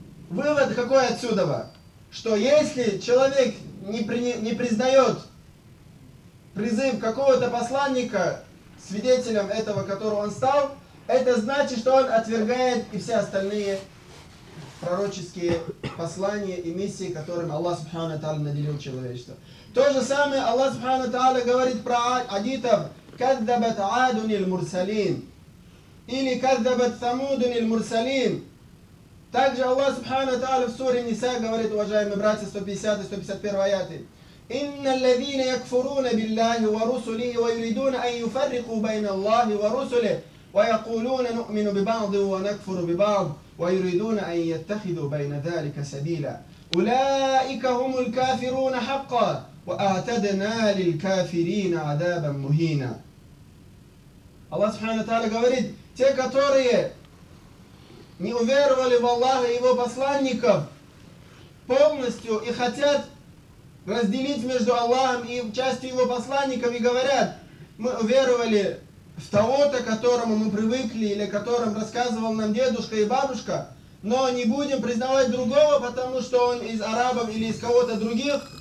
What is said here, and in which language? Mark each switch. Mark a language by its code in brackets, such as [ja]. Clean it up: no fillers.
[ru] Вывод какой отсюда? Что если человек не признает призыв какого-то посланника, свидетелем этого, которого он стал, это значит, что он отвергает и все остальные пророческие послания и миссии, которым Аллах Субхану Тааля наделил человечество. То же самое Аллах Субхану Тааля говорит про адитов: [ar] «Каддабат Аадун иль Мурсалин» [ru] или [ar] «Каддабат Самудун иль Мурсалин». [ru] Также Аллах Субхану Тааля в суре Ниса говорит, уважаемые братья, 150 и 151 аяты: [ar] إِنَّ الَّذِينَ يَكْفُرُونَ بِاللَّهِ وَرُسُلِهِ وَيُرِيدُونَ أَنْ يُفَرِّقُوا بَيْنَ اللَّهِ وَرُسُلِهِ وَيَقُولُونَ نُؤْمِنُ بِبَعْضٍ وَنَكْفُرُ بِبَعْضٍ وَيُرِيدُونَ أَنْ يَتَّخِذُوا بَيْنَ ذَلِكَ سَبِيلًا أُولَئِكَ هُمُ الْكَافِرُونَ حَقًّا وَأَعْتَدْنَا لِلْكَافِرِينَ عَذَابًا مُهِينًا. الله سبحانه وتعالى [ru] говорит: те, которые не уверовали в Аллаха и его посланников полностью и хотят разделить между Аллахом и частью его посланников, и говорят: мы уверовали в того-то, которому мы привыкли, или которым рассказывал нам дедушка и бабушка, но не будем признавать другого, потому что он из арабов или из кого-то других,